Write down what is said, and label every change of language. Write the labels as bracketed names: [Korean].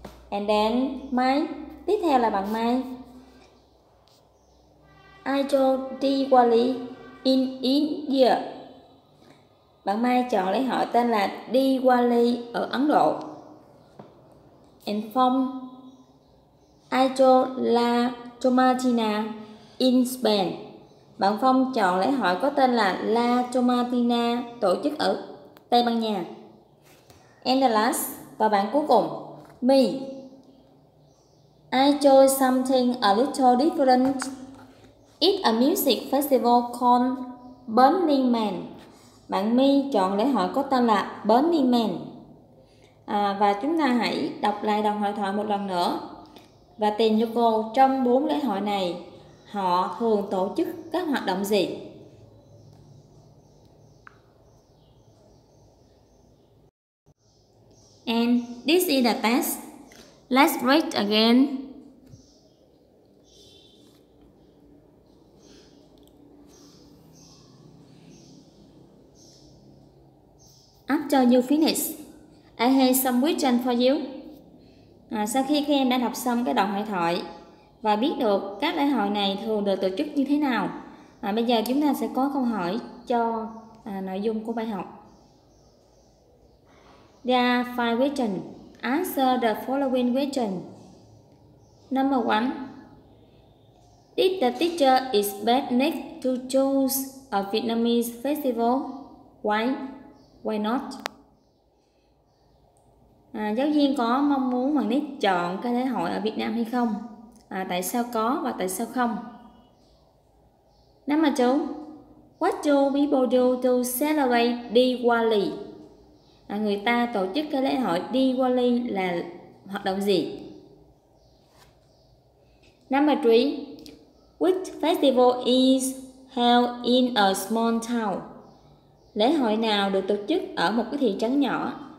[English] And then [Vietnamese] Mai, tiếp theo là bạn Mai. [English] I chose Diwali in India. [Vietnamese] Bạn Mai chọn lễ hội tên là Diwali ở Ấn Độ. [English] And from I chose La Tomatina in Spain. [Vietnamese] Bạn Phong chọn lễ hội có tên là La Tomatina tổ chức ở Tây Ban Nha. [English] And the last, [Vietnamese] và bạn cuối cùng, [English] me. I chose something a little different. It's a music festival called Burning Man. [Vietnamese] Bạn Mi chọn lễ hội có tên là Burning Man. Và chúng ta hãy đọc lại đoạn hội thoại một lần nữa và tìm cho cô trong bốn lễ hội này họ thường tổ chức các hoạt động gì. [English] And this is the test. Let's read again. After you finish, I have some questions for you. [Vietnamese] Sau khi các em đã đọc xong cái đoạn hội thoại và biết được các lễ hội này thường được tổ chức như thế nào, bây giờ chúng ta sẽ có câu hỏi cho nội dung của bài học. [English] There are five questions. Answer the following question. Number one. Did the teacher expect Nick to choose a Vietnamese festival? Why? Why not? [Vietnamese] Giáo viên có mong muốn bạn Nick chọn cái lễ hội ở Việt Nam hay không? Tại sao có và tại sao không? [English] Number two. What do people do to celebrate Diwali? [Vietnamese] Người ta tổ chức cái lễ hội Diwali là hoạt động gì? [English] Number three. Which festival is held in a small town? [Vietnamese] Lễ hội nào được tổ chức ở một cái thị trấn nhỏ?